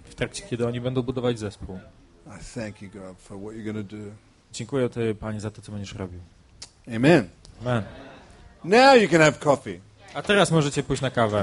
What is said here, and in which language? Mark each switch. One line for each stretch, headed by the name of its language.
Polish: W trakcie, kiedy oni będą budować zespół.
English: I thank you, God, for what you're going to do.
Polish: Dziękuję Ci, Panie, za to, co będziesz robił.
English: Amen.
Polish: Amen.
English: Now you can have coffee.
Polish: A teraz możecie pójść na kawę.